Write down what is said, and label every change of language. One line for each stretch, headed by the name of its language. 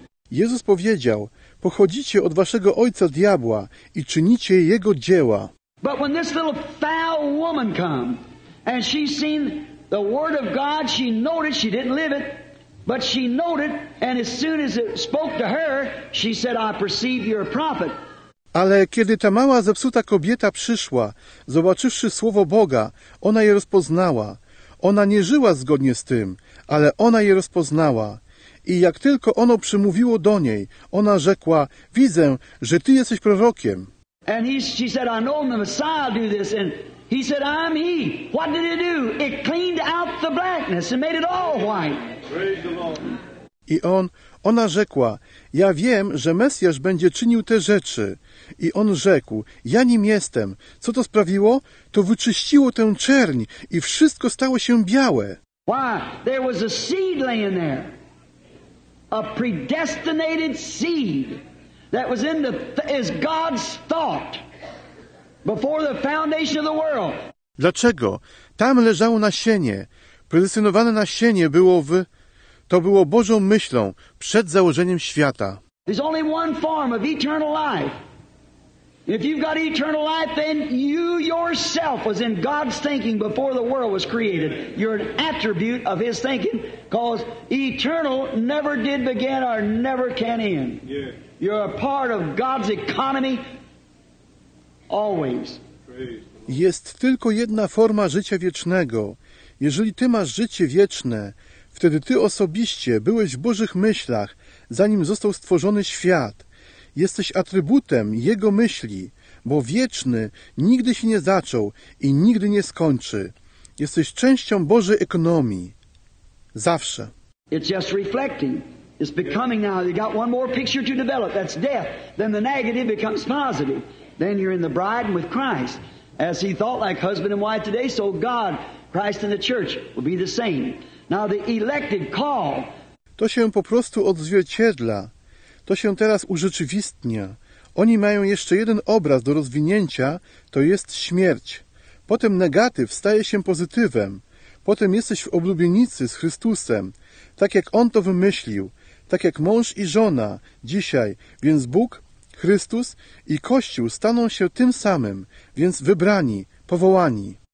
Polish: Jezus powiedział: pochodzicie od waszego ojca diabła i czynicie jego dzieła.
English: But when this little foul woman come and she seen the word of God, she noted, she didn't live it, but she noted, and as soon as it spoke to her, she said, I perceive you're a prophet.
Polish: Ale kiedy ta mała zepsuta kobieta przyszła, zobaczywszy słowo Boga, ona je rozpoznała. Ona nie żyła zgodnie z tym, ale ona je rozpoznała. I jak tylko ono przemówiło do niej, ona rzekła: widzę, że ty jesteś prorokiem.
English: And she said, I know the Messiah will do this. And he said, I'm he. What did it do? It cleaned out the blackness and made it all white. Praise the Lord.
Polish: I ona rzekła: ja wiem, że Mesjasz będzie czynił te rzeczy. I on rzekł: ja nim jestem. Co to sprawiło? To wyczyściło tę czerń i wszystko stało się białe.
English: Why? There was a seed laying there. A predestinated seed that was in the is God's thought before the foundation of the world.
Polish: Dlaczego? Tam leżało nasienie. Predestynowane nasienie było w... To było Bożą myślą przed założeniem świata.
English: There's only one form of eternal life. If you've got eternal life, then you yourself was in God's thinking before the world was created. You're an attribute of His thinking, because eternal never did begin or never can end. You're a part of God's economy always.
Polish: Jest tylko jedna forma życia wiecznego. Jeżeli ty masz życie wieczne, wtedy ty osobiście byłeś w Bożych myślach, zanim został stworzony świat. Jesteś atrybutem Jego myśli, bo wieczny nigdy się nie zaczął i nigdy nie skończy. Jesteś częścią Bożej ekonomii. Zawsze.
English: It's just reflecting. It's becoming now. You got one more picture to develop. That's death. Then the negative becomes positive. Then you're in the bride and with Christ. As he thought, like husband and wife today, so God, Christ and the church will be the same. Now the elected call.
Polish: To się po prostu odzwierciedla. To się teraz urzeczywistnia. Oni mają jeszcze jeden obraz do rozwinięcia, to jest śmierć. Potem negatyw staje się pozytywem. Potem jesteś w oblubienicy z Chrystusem, tak jak On to wymyślił, tak jak mąż i żona dzisiaj, więc Bóg, Chrystus i Kościół staną się tym samym, więc wybrani, powołani.